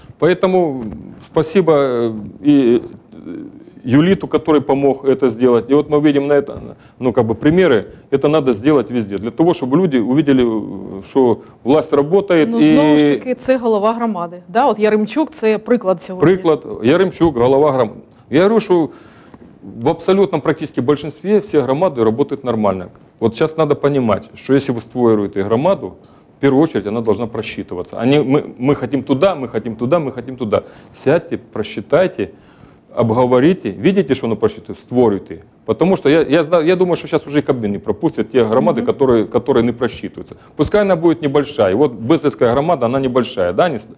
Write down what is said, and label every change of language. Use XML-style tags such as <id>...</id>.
<ru>Поэтому спасибо и Юлиту, который помог это сделать. И вот мы видим на это, ну, как бы примеры, это надо сделать везде. Для того, чтобы люди увидели, что власть работает.</ru> <uk>Ну, знову ж таки, це голова громади. Да, от Яремчук, це приклад сьогодні. Приклад, Яремчук, голова громади. Я говорю, що в абсолютно практически большинстві всі громади працюють нормально. От зараз треба розуміти, що якщо ви створюєте громаду,</uk> <ru>в первую очередь она должна просчитываться. Мы хотим туда, мы хотим туда, мы хотим туда. Сядьте, просчитайте, обговорите. Видите, что оно просчитывает? Створите. Потому что я думаю, что сейчас уже и Кабмин не пропустят те громады, которые не просчитываются. Пускай она будет небольшая. Вот Быстрецкая громада, она небольшая. Да?</ru>